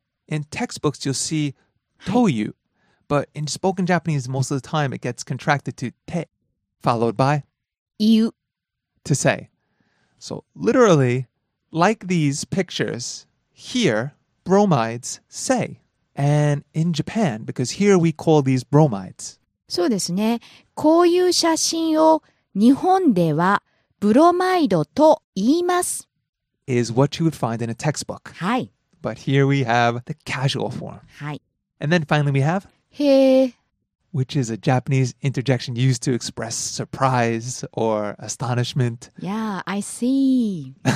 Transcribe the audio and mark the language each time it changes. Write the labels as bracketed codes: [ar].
[en] In textbooks you'll see [ja] という、はい、 [en] But in spoken Japanese most of the time it gets contracted to て Followed by? [ja] 言う [en] To say. So, literally, like these pictures, here, bromides say. And in Japan, because here we call these bromides. [ja] そうですね。こういう写真を日本ではブロマイドと言います。 [en] Is what you would find in a textbook. [ja] はい。 [en] But here we have the casual form. [ja] はい。 [en] And then finally we have... へぇ。 Which is a Japanese interjection used to express surprise or astonishment. Yeah, I see.